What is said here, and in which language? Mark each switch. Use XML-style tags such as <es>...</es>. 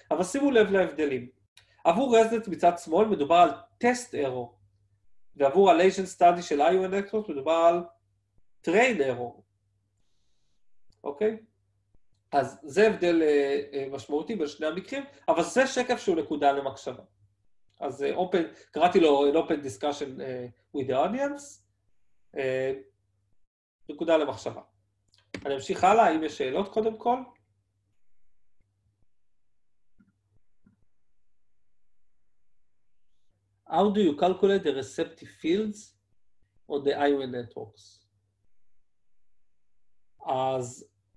<he>אבל שימו לב להבדלים. עבור רזנט מצד שמאל מדובר על טסט אירור, ועבור ה-Lesion Study של IOM Networks מדובר על טריין אירור. אוקיי? אז זה הבדל משמעותי בשני המקרים, אבל זה שקף שהוא נקודה למחשבה. אז</he> <en>open,</en> <he>קראתי לו</he> <en>an open discussion with the audience.</en> <he>נקודה למחשבה. אני אמשיך הלאה, האם יש שאלות קודם כל?</he> <en>How do you calculate the receptive fields on the IOM networks? אז</en>